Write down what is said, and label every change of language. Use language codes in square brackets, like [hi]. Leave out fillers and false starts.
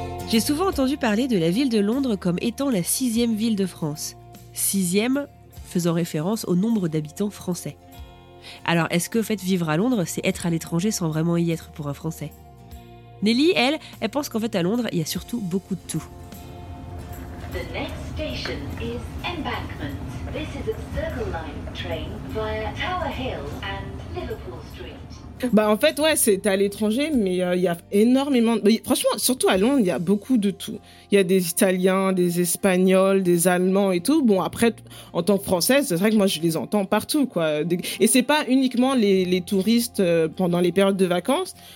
[fr] J'ai souvent entendu parler de la ville de Londres comme étant la 6e ville de France. 6e faisant référence au nombre d'habitants français. Alors, est-ce que, au fait, vivre à Londres, c'est être à l'étranger sans vraiment y être pour un Français ? Nelly, elle pense qu'en fait, à Londres, il y a surtout beaucoup de tout. [en] The next station is Embankment. This is a Circle Line train via Tower Hill and Liverpool Street. [fr] Bah, en fait, ouais, c'est à l'étranger, mais il y a énormément... Franchement, surtout à Londres, il y a beaucoup de tout. Il y a des Italiens, des Espagnols, des Allemands et tout. Bon, après, en tant que Française, c'est vrai que moi, je les entends partout, quoi. Et c'est pas uniquement les touristes pendant les périodes de vacances.